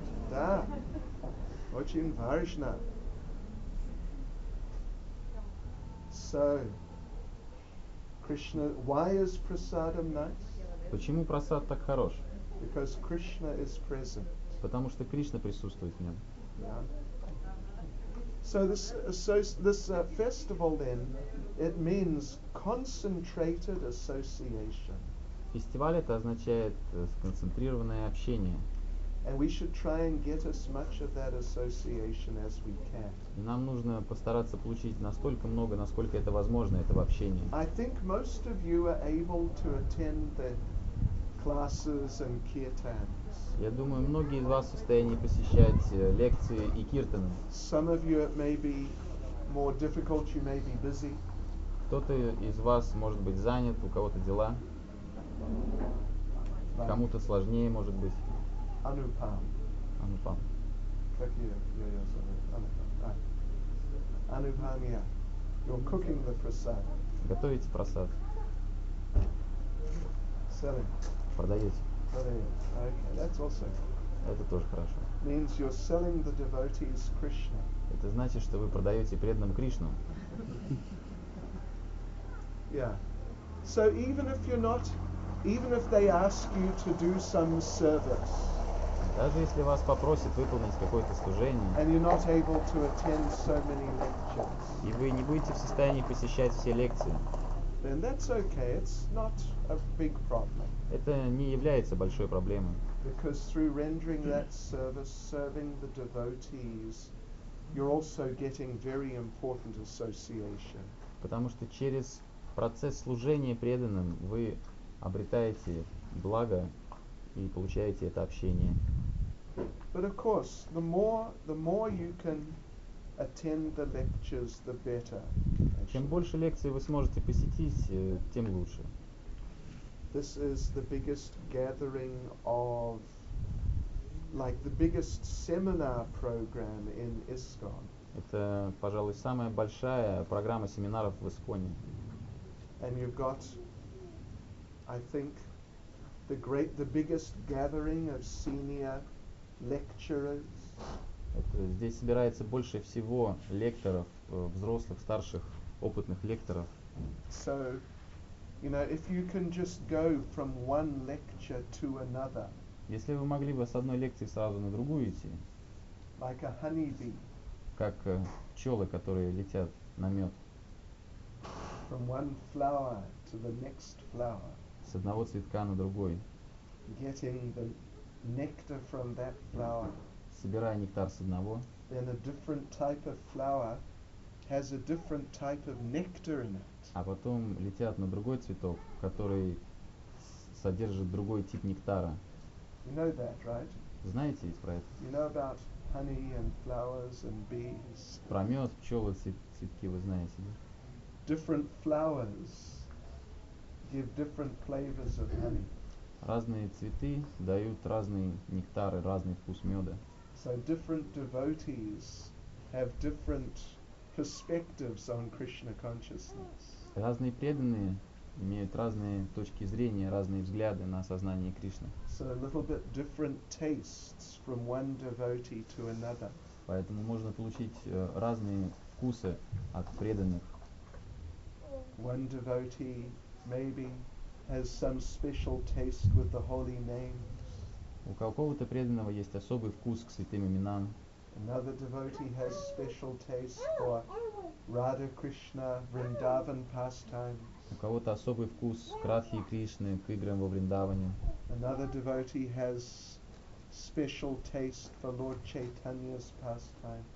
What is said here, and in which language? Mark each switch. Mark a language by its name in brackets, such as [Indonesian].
[Russian] Да. Очень важно. [English] So. Krishna, why is prasadam nice? [Russian] Почему прасад так хорош? [English] Because Krishna is present. [Russian] Потому что Кришна присутствует в нем. [English] Yeah. So this festival then, it means concentrated association. [Russian] Фестиваль это означает сконцентрированное общение. [English] And we should try and get as much of that association as we can. [Russian] Нам нужно постараться получить настолько много, насколько это возможно, этого общения. [English] I think most of you are able to attend the classes and kirtans. [Russian] Я думаю, многие из вас в состоянии посещать лекции и киртаны. [English] Some of you it may be more difficult, you may be busy. [Russian] Кто-то из вас может быть занят, у кого-то дела. Кому-то сложнее может быть. Anupam. Как я? Anupam, yeah. [English] You're cooking the prasad. [Russian] Готовите прасад. [English] Selling. [Russian] Продаете. [English] Okay, that's also. [Russian] Это тоже хорошо. [English] Means you're selling the devotees Krishna. [Russian] Это значит, что вы продаете преданным Кришну. [English] Yeah. So even if you're not, even if they ask you to do some service. [Russian] Даже если вас попросят выполнить какое-то служение, [English] and you're not able to attend so many lectures, [Russian] и вы не будете в состоянии посещать все лекции, [English] then that's okay. It's not a big problem. [Russian] Это не является большой проблемой. [English] Because through rendering that service, serving the devotees, you're also getting very important association. [Russian] Потому что через процесс служения преданным вы обретаете благо и получаете это общение. [English] But of course, the more you can attend the lectures, the better. Actually. [Russian] Чем больше лекций вы сможете посетить, тем лучше. [English] This is the biggest gathering of, like, the biggest seminar program in ISKCON. [Russian] Это, пожалуй, самая большая программа семинаров в ИСКОНе. [English] And you've got, I think, the biggest gathering of senior lecturers. [Russian] Это здесь собирается больше всего лекторов, взрослых, старших, опытных лекторов. [English] So You know, if you can just go from one lecture to another. [Russian] Если вы могли бы с одной лекции сразу на другую идти. [English] Like a honeybee. [Russian] Как пчелы, которые летят на мед. [English] From one flower to the next flower. [Russian] С одного цветка на другой. [English] Getting the nectar from that flower. [Russian] Собирая нектар с одного. [English] Then a different type of flower has a different type of nectar in it. [Russian] А потом летят на другой цветок, который содержит другой тип нектара. [English] You know that, right? [Russian] Знаете про это? [English] You know about honey and flowers and bees. [Russian] Про мед, пчелы, цветки вы знаете, да? [English] Different flowers give different flavors of honey. [Russian] Разные цветы дают разные нектары, разный вкус меда. [English] So different devotees have different perspectives on Krishna consciousness. [Russian] Разные преданные имеют разные точки зрения, разные взгляды на сознание Кришны. [English] So a little bit different tastes from one devotee to another. [Russian] Поэтому можно получить разные вкусы от преданных. [English] One devotee maybe has some special taste with the holy name. [Russian] У какого-то преданного есть особый вкус к святым именам. [English] Another devotee has special taste for Radha Krishna, Vrindavan pastimes. [Russian] У кого-то особый вкус к Радхе Кришне, к играм во Вриндаване. [English] Another devotee has special taste for Lord Chaitanya's pastime.